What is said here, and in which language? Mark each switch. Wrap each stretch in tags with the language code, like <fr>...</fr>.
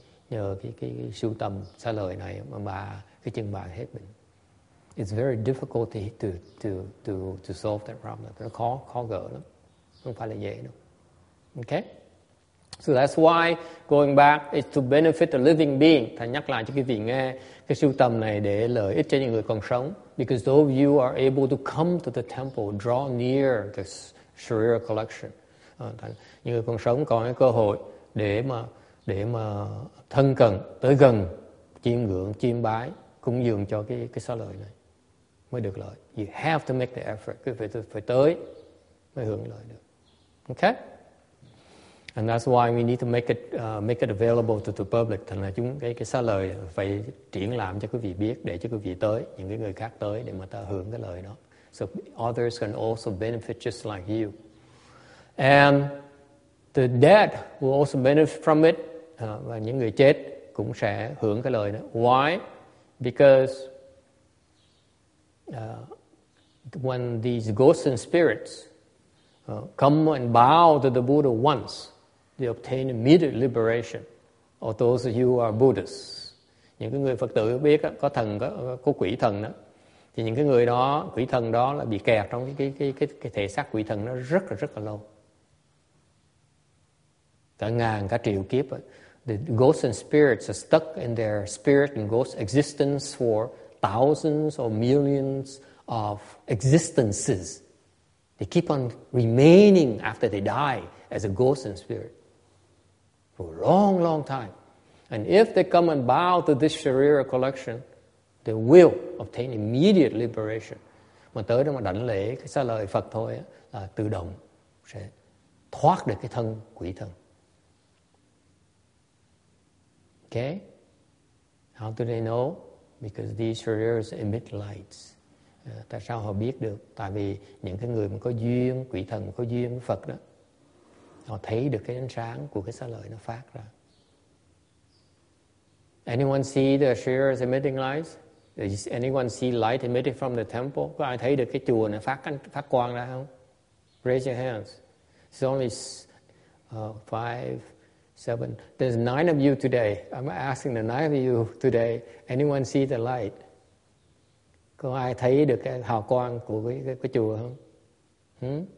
<vi>Nhờ cái sưu tầm xa lời này mà bà cái chân bà hết bệnh.</vi> <en>It's very difficult to solve that problem.</en> <vi>Nó khó gỡ lắm, không phải là dễ đâu.</vi> <en>Okay. So that's why going back is to benefit the living being.</en> <vi>Thầy nhắc lại cho quý vị nghe cái sưu tầm này để lợi ích cho những người còn sống.</vi> <en>Because though you are able to come to the temple, draw near the Sharira collection,</en> <vi>những người còn sống còn cái cơ hội để mà thân cận tới gần chiêm ngưỡng, chiêm bái, cúng dường cho cái xá lợi này mới được lợi.</vi> <en>You have to make the effort.</en> <vi>Quý vị phải tới mới hưởng lợi được.</vi> <en>Okay. And that's why we need to make it available to the public.</en> <vi>Thành là chúng cái xá lời phải triển lãm cho quý vị biết để cho quý vị tới, những cái người khác tới để mà ta hưởng cái lời đó.</vi> <en>So others can also benefit just like you. And the dead will also benefit from it.</en> <vi>Và những người chết cũng sẽ hưởng cái lời đó.</vi> <en>Why? Because when these ghosts and spirits come and bow to the Buddha once, they obtain immediate liberation. Or those of you who are Buddhists,</en> <vi>những cái người Phật tử biết có thần, có quỷ thần đó, thì những cái người đó, quỷ thần đó là bị kẹt trong cái thể xác quỷ thần nó rất là lâu, cả ngàn cả triệu kiếp.</vi> <en>The ghosts and spirits are stuck in their spirit and ghost existence for thousands or millions of existences. They keep on remaining after they die as a ghost and spirit for a long, long time. And if they come and bow to this Sharira collection, they will obtain immediate liberation.</en> <vi>Mà tới đó mà đảnh lễ cái xá lợi Phật thôi á, là tự động sẽ thoát được cái thân quỷ thần.</vi> <en>Okay? How do they know? Because these Shariras emit lights.</en> <vi>Tại sao họ biết được? Tại vì những cái người mà có duyên, quỷ thần có duyên với Phật đó, họ thấy được cái ánh sáng của cái xá lợi nó phát ra.</vi> <en>Anyone see the Shariras emitting lights? Does anyone see light emitted from the temple?</en> <vi>Có ai thấy được cái chùa này phát quang ra không?</vi> <en>Raise your hands. It's only 5, 7. There's 9 of you today. I'm asking the 9 of you today. Anyone see the light?</en> <vi>Có ai thấy được cái hào quang của cái chùa không?</vi>